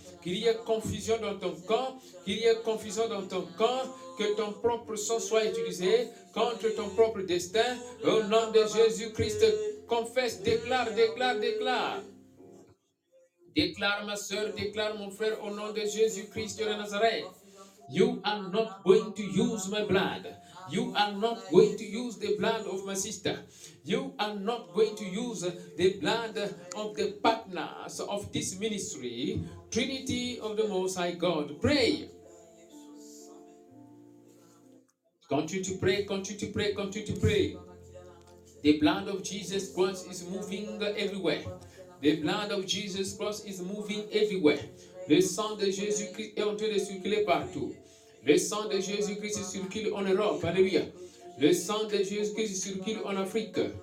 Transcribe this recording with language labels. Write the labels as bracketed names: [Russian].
[French] qu'il y ait confusion dans ton camp, qu'il y ait confusion dans ton camp, que ton propre sang soit utilisé contre ton propre destin, au nom de Jésus-Christ, confesse, déclare, déclare, déclare. Déclare ma soeur, déclare mon frère, au nom de Jésus-Christ de Nazareth. [English] You are not going to use my blood. You are not going to use the blood of my sister. You are not going to use the blood of the partners of this ministry. Trinity of the Most High God, pray. Continue to pray, continue to pray, continue to pray. The blood of Jesus Christ is moving everywhere. The blood of Jesus Christ is moving everywhere. [French] Le sang de Jésus-Christ est en train de circuler partout. Le sang de Jésus-Christ circule en Europe. Alléluia. Le sang de Jésus-Christ circule en Afrique.